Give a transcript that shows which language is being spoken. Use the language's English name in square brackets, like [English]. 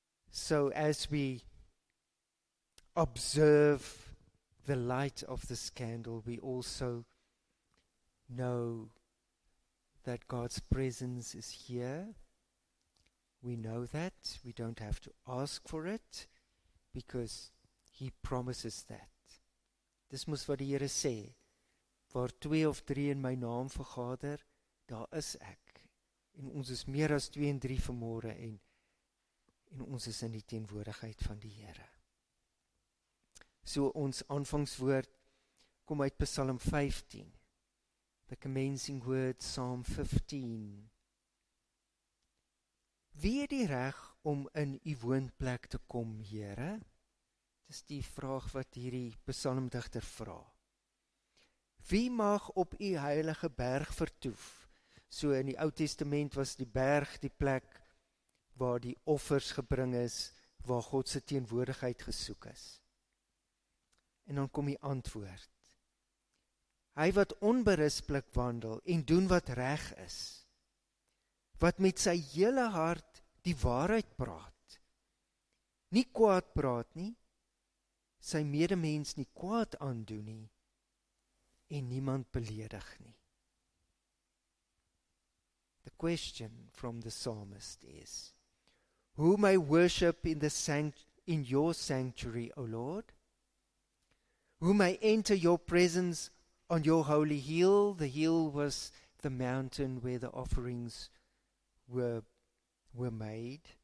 [English] So as we observe the light of this candle, we also know that God's presence is here. We know that. We don't have to ask for it, because He promises that. [Afrikaans] Dis moet wat die Here sê. Waar twee of drie in my naam vergader, daar is ek. En ons is meer as twee en drie vanmôre en ons is in die teenwoordigheid van die Here. So ons aanvangswoord kom uit Psalm 15. [English] The commencing word, Psalm 15. [Afrikaans] Wie het die reg om in u woonplek te kom, Here? Dis die vraag wat hierdie psalmdigter vra. Wie mag op u heilige berg vertoef? So in die Ou Testament was die berg die plek waar die offers gebring is, waar God se teenwoordigheid gesoek is. En dan kom die antwoord. Hy wat onberisplik wandel en doen wat reg is, wat met sy hele hart die waarheid praat, nie kwaad praat nie, sy medemens nie kwaad aandoen nie, en niemand beledig nie. [English] The question from the psalmist is, who may worship in your sanctuary, O Lord? Who may enter your presence on your holy hill? The hill was the mountain where the offerings were made.